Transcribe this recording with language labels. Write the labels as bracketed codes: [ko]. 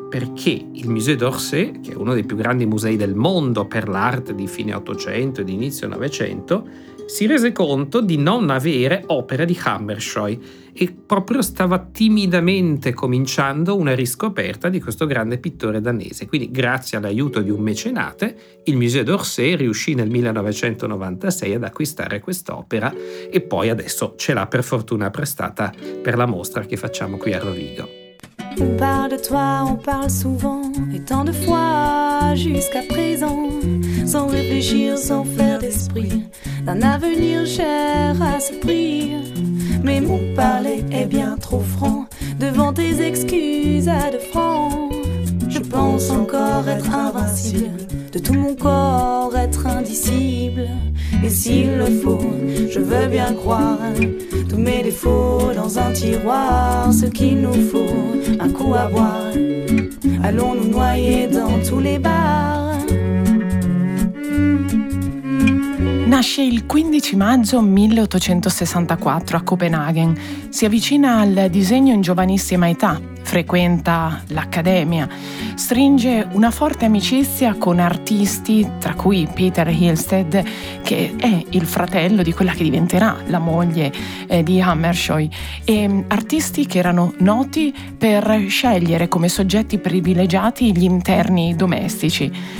[it] Perché il Musée d'Orsay, che è uno dei più grandi musei del mondo per l'arte di fine Ottocento e di inizio Novecento, si rese conto di non avere opere di Hammershøi e proprio stava timidamente cominciando una riscoperta di questo grande pittore danese. Quindi, grazie all'aiuto di un mecenate, il Musée d'Orsay riuscì nel 1996 ad acquistare quest'opera e poi adesso ce l'ha per fortuna prestata per la mostra che facciamo qui a Rovigo. [fr] On parle de toi, on parle souvent, et tant de fois jusqu'à présent, sans réfléchir, sans faire d'esprit, d'un avenir cher à ce prix. Mais mon parler est bien trop franc, devant tes excuses à de francs. Je pense encore être invincible, de tout mon corps être indicible. Et s'il le faut, je veux bien croire tous mes défauts dans un tiroir. Ce qu'il nous faut, un coup à boire. Allons nous noyer dans tous les bars. [it] Nasce il 15 maggio 1864 a Copenaghen. Si avvicina al disegno in giovanissima età, frequenta l'Accademia, stringe una forte amicizia con artisti, tra cui Peter Hillsted, che è il fratello di quella che diventerà la moglie di Hammershøi, e artisti che erano noti per scegliere come soggetti privilegiati gli interni domestici.